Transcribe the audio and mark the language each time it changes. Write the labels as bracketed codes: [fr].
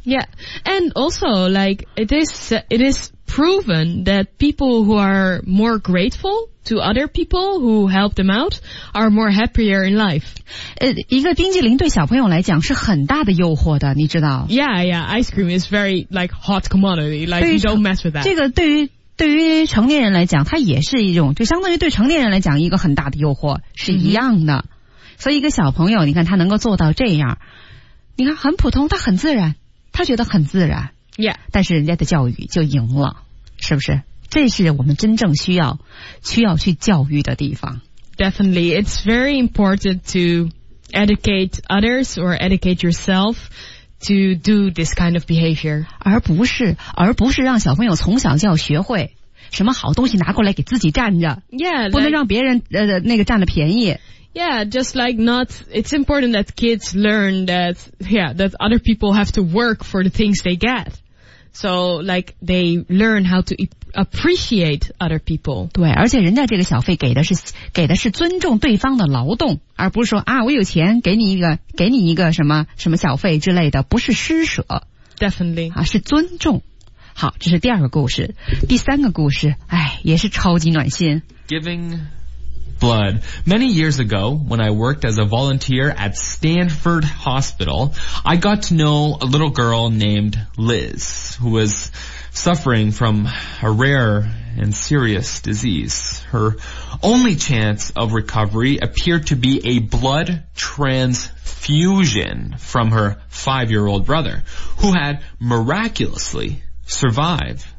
[en] Yeah. And also, like, it is proven that people who are more grateful to other people who help them out are more happier in life. [zh] 一个冰淇淋对小朋友来讲是很大的诱惑的，你知道。 [en] Yeah, yeah, ice cream is very, like, hot commodity, like, you don't mess with that. [zh] 这个对于成年人来讲，它也是一种，就相当于对成年人来讲一个很大的诱惑，是一样的。 Mm-hmm. 所以一个小朋友，你看他能够做到这样，你看很普通，他很自然，他觉得很自然。 [en] Yeah. [zh] 但是人家的教育就赢了，是不是？这是我们真正需要去教育的地方。 [en] Definitely, it's very important to educate others or educate yourself to do this kind of behavior. [zh] 而不是让小朋友从小就要学会什么好东西拿过来给自己占着。 [en] Yeah, like, [zh] 不能让别人那个占了便宜。 [en] Yeah, just like not, it's important that kids learn that, yeah, that other people have to work for the things they get. So, like, they learn how to appreciate other people. [zh] 对，而且人家这个小费给的是尊重对方的劳动，而不是说啊，我有钱给你一个什么什么小费之类的，不是施舍。 [en] Definitely. [zh] 啊，是尊重。好，这是第二个故事。第三个故事，哎，也是超级暖心。 [en] Giving blood. Many years ago, when I worked as a volunteer at Stanford Hospital, I got to know a little girl named Liz, who was suffering from a rare and serious disease. Her only chance of recovery appeared to be a blood transfusion from her 5-year-old brother, who had miraculously survived